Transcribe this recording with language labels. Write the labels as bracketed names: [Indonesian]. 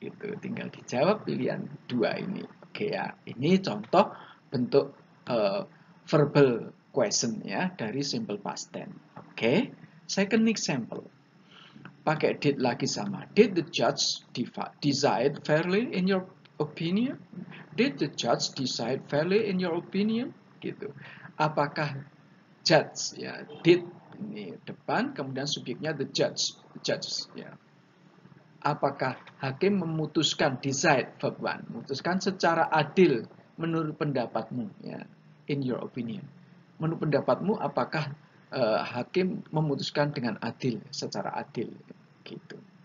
[Indonesian] Gitu, tinggal dijawab pilihan dua ini. Oke ya, ini contoh bentuk verbal question ya dari simple past tense. Oke, [English] second example. [Indonesian] Pakai did lagi sama. [English] Did the judge decide fairly in your opinion? Did the judge decide fairly in your opinion? [Indonesian] Gitu. Apakah judge ya, [English] did [Indonesian] ini depan, kemudian subjeknya the judge ya. Apakah hakim memutuskan, decide verb one, memutuskan secara adil menurut pendapatmu ya, [English] in your opinion, [Indonesian] menurut pendapatmu apakah hakim memutuskan dengan adil, secara adil gitu.